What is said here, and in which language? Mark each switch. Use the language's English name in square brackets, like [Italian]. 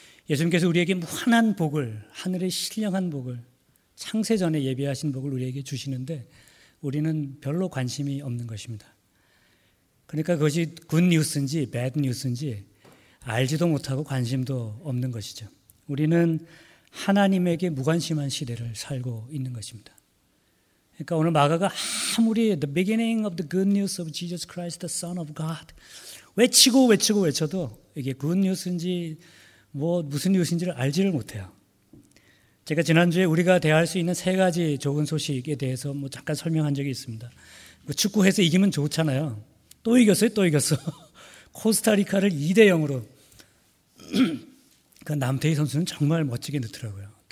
[Korean] 예수님께서 우리에게 무한한 복을, 하늘의 신령한 복을, 창세전에 예비하신 복을 우리에게 주시는데 우리는 별로 관심이 없는 것입니다. 그러니까 그것이 굿 뉴스인지 배드 뉴스인지 알지도 못하고 관심도 없는 것이죠. 우리는 하나님에게 무관심한 시대를 살고 있는 것입니다. 그러니까 오늘 마가가 아무리 [English] The beginning of the good news of Jesus Christ, the Son of God [Korean] 외쳐도 이게 good news인지 뭐 무슨 news인지를 알지를 못해요. 제가 지난주에 우리가 대할 수 있는 세 가지 좋은 소식에 대해서 뭐 잠깐 설명한 적이 있습니다. 뭐 축구해서 이기면 좋잖아요. 또 이겼어. 코스타리카를 2-0으로 그 남태희 선수는 정말 멋지게 넣더라고요.